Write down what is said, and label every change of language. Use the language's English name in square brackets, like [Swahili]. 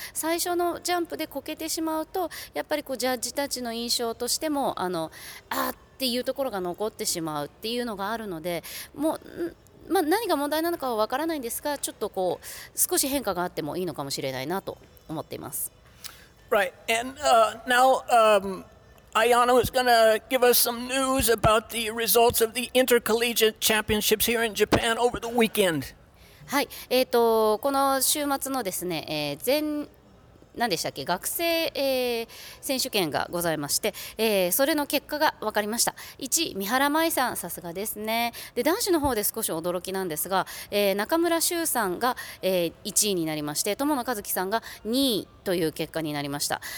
[Japanese] 最初のジャンプでこけてしまうとやっぱりこうジャッジたちの印象としてもっていうところが残ってしまうっていうのがあるのでもうまあ、何が問題なのかは分からないんですがちょっとこう少し変化があってもいいのかもしれないなと思っています。 [English] Right, and now Ayano is going to give us some news about the results of the Intercollegiate Championships here in Japan over the weekend. [Japanese] はい、この週末のですね、何でしたっけ学生、選手権がございまして、それの結果が分かりました。 1位三原舞さんさすがですね。で男子の方で少し驚きなんですが、中村修さんが、1位になりまして友野和樹さんが2位という結果になりました。